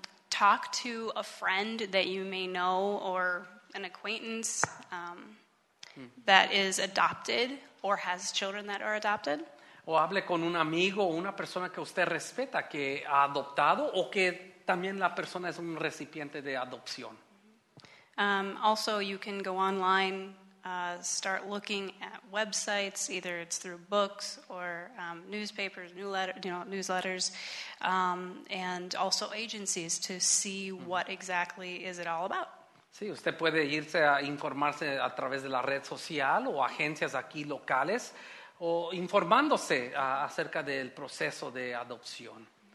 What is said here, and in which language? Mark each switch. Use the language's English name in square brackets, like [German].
[English] Talk to a friend that you may know or an acquaintance that is adopted or has children that are adopted. [Spanish] O hable con un amigo o una persona que usted respeta que ha adoptado o que también la persona es un recipiente de adopción. [English] Also, you can go online, start looking at websites, either it's through books or newspapers, newsletters, and also agencies to see what exactly is it all about. [Spanish] Sí, usted puede irse a informarse a través de la red social o agencias aquí locales o informándose acerca del proceso de adopción.